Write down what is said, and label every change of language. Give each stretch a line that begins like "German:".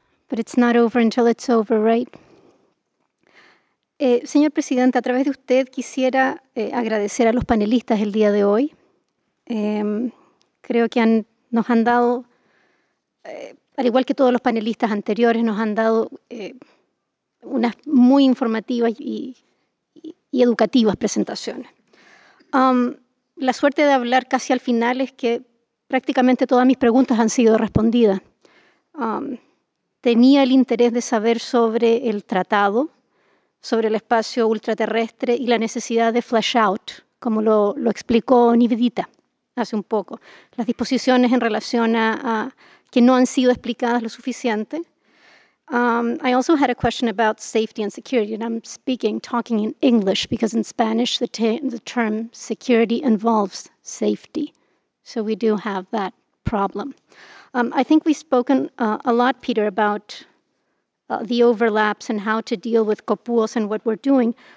English: But it's not over until it's over, right?
Spanish: Señor presidente, a través de usted quisiera agradecer a los panelistas el día de hoy. Creo que nos han dado, al igual que todos los panelistas anteriores, nos han dado unas muy informativas y educativas presentaciones. La suerte de hablar casi al final es que prácticamente todas mis preguntas han sido respondidas. Tenía el interés de saber sobre el tratado, sobre el espacio ultraterrestre y la necesidad de
English: flesh out,
Spanish: como lo explicó Nivedita hace un poco. Las disposiciones en relación a que no han sido explicadas lo suficiente.
English: I also had a question about safety and security, and I'm talking in English because in Spanish the term security involves safety. So we do have that problem. I think we've spoken a lot, Peter, about the overlaps and how to deal with COPUOS and what we're doing.